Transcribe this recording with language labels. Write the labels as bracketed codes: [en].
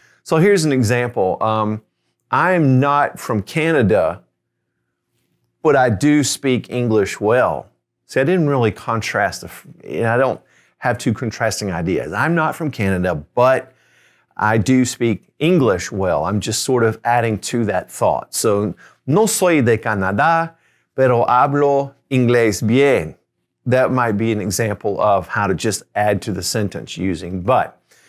[en] So here's an example. I'm not from Canada, but I do speak English well. See, I didn't really contrast, I don't have two contrasting ideas. I'm not from Canada, but I do speak English well. I'm just sort of adding to that thought. [es] So, no soy de Canadá, pero hablo inglés bien. [en] That might be an example of how to just add to the sentence using but.